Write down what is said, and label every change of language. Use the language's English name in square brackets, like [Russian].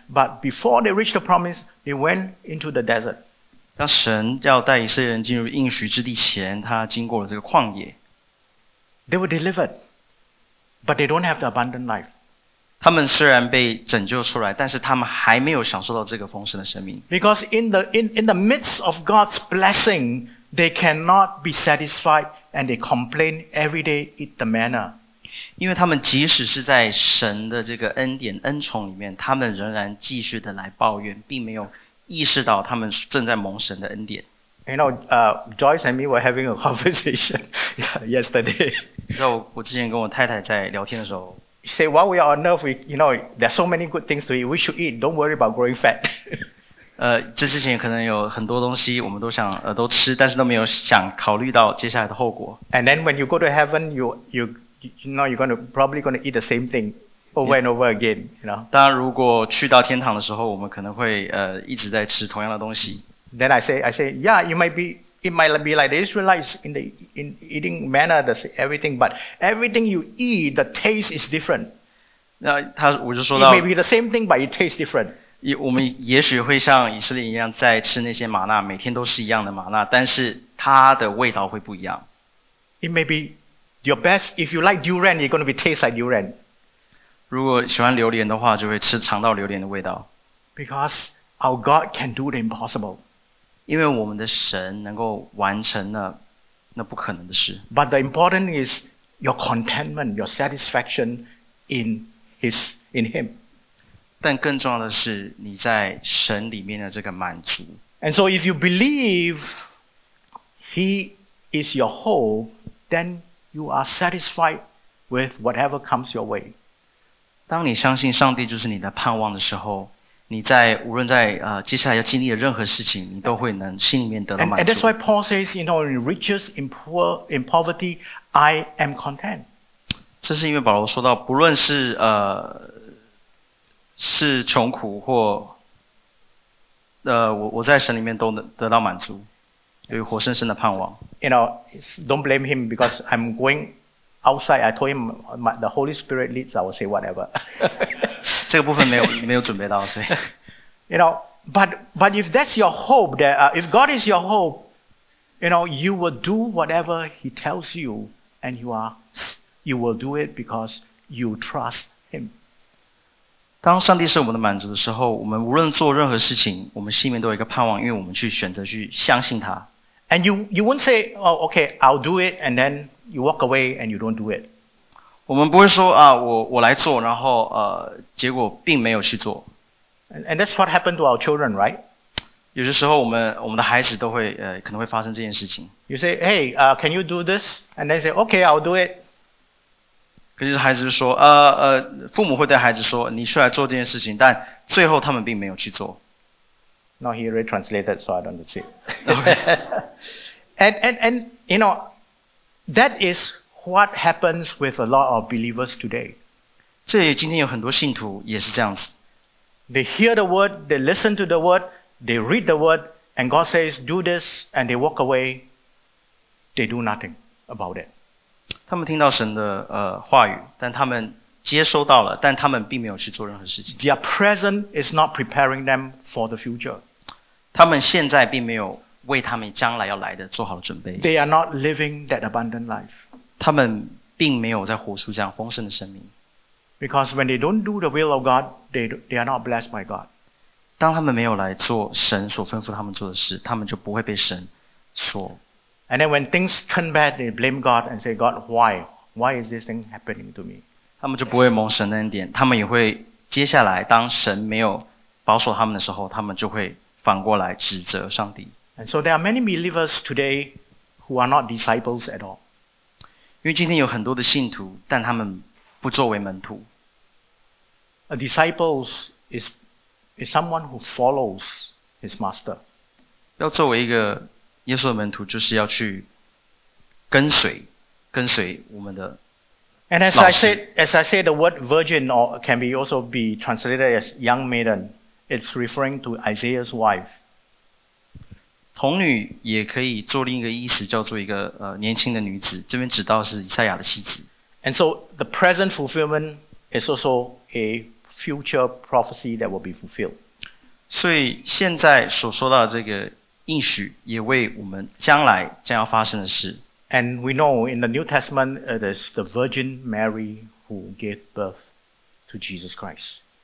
[English] But before they reached the promise, they went into the desert. [Chinese] 当神要带以色列人进入应许之地前，他经过了这个旷野。 [English] They were delivered, but they don't have the abundant life. [Chinese] 他们虽然被拯救出来，但是他们还没有享受到这个丰盛的生命。 [English] Because in the midst of God's blessing, they cannot be satisfied and they complain every day in the manner. [Chinese] 因为他们即使是在神的这个恩典恩宠里面，他们仍然继续的来抱怨，并没有意识到他们正在蒙神的恩典。 [English] You know, Joyce and me were having a conversation yesterday. [Chinese] 你知道我之前跟我太太在聊天的时候。 [English] She said, while we are on earth, there are so many good things to eat. We should eat. Don't worry about growing fat. [Chinese] 这之前可能有很多东西我们都想都吃，但是都没有想考虑到接下来的后果。 [English] And then when you go to heaven, you're probably going to eat the same thing over and over again. You know. [Chinese] 当然，如果去到天堂的时候，我们可能会一直在吃同样的东西。 [English] Then I say, yeah, it might be like the Israelites in eating manna, everything, but everything you eat, the taste is different. [Chinese] 那他我就说到 [English] it may be the same thing, but it tastes different. [Chinese] 我们也许会像以色列一样在吃那些玛纳，每天都是一样的玛纳，但是它的味道会不一样。 [English] It may be your best, if you like durian, you're going to be taste like durian. [Chinese] 如果喜欢榴莲的话，就会吃尝到榴莲的味道。 [English] Because our God can do the impossible. [Chinese] 因为我们的神能够完成那不可能的事。 [English] But the important is your contentment, your satisfaction in Him. [Chinese] 但更重要的是你在神里面的这个满足。 [English] And so if you believe He is your hope, then you are satisfied with whatever comes your way. [Chinese] 当你相信上帝就是你的盼望的时候，你在无论在接下来要经历的任何事情，你都会能心里面得到满足。 [English] And that's why Paul says, you know, in riches, in poor, in poverty, I am content. [Chinese] 这是因为保罗说到，不论是是穷苦或我在神里面都能得到满足，有活生生的盼望。 [English] You know, don't blame him because I'm going outside. I told him the Holy Spirit leads. I will say whatever. [Chinese] 这个部分没有准备到，所以 [English] you know, but if that's your hope, that if God is your hope, you know, you will do whatever He tells you, and you will do it because you trust Him. [Chinese] 当上帝是我们的满足的时候，我们无论做任何事情，我们心里面都有一个盼望，因为我们去选择去相信他。 [English] And you won't say, oh, okay, I'll do it, and then you walk away and you don't do it. [Chinese] 我们不会说啊，我来做，然后结果并没有去做。 [English] And that's what happened to our children, right? [Chinese] 有些时候我们的孩子都会可能会发生这件事情。 [English] You say, hey, can you do this? And they say, okay, I'll do it. [Chinese] 可是孩子就说，父母会对孩子说，你出来做这件事情，但最后他们并没有去做。 [English] No, he already translated, so I don't see. Okay. and you know, that is. What happens with a lot of believers today? [Chinese] 这也今天有很多信徒也是这样子。 [English] They hear the word, they listen to the word, they read the word, and God says, do this, and they walk away. They do nothing about it. [Chinese] 他们听到神的话语，但他们接收到了，但他们并没有去做任何事情。 [English] Their present is not preparing them for the future. [Chinese] 他们现在并没有为他们将来要来的做好准备。 [English] They are not living that abundant life. [Chinese] 他们并没有在活出这样丰盛的生命。 [English] Because when they don't do the will of God, they are not blessed by God. [Chinese] 当他们没有来做神所吩咐他们做的事，他们就不会被神所。 [English] And then when things turn bad, they blame God and say, God, why? Why is this thing happening to me? [Chinese] 他们就不会蒙神的恩典，他们也会接下来当神没有保守他们的时候，他们就会反过来指责上帝。 [English] And so there are many believers today who are not disciples at all. [Chinese] 因为今天有很多的信徒，但他们不作为门徒。 [English] A disciple is someone who follows his master. [Chinese] 要作为一个耶稣的门徒，就是要去跟随我们的 [English] And as I said, the word virgin can be also be translated as young maiden. It's referring to Isaiah's wife. [Chinese] 童女也可以做另一个意思，叫做一个年轻的女子。这边指到是以赛亚的妻子。 [English] And so the present fulfillment is also a future prophecy that will be fulfilled. [Chinese] 所以现在所说到的这个应许，也为我们将来将要发生的事。 [English] And we know in the New Testament it is the Virgin Mary who gave birth to Jesus Christ.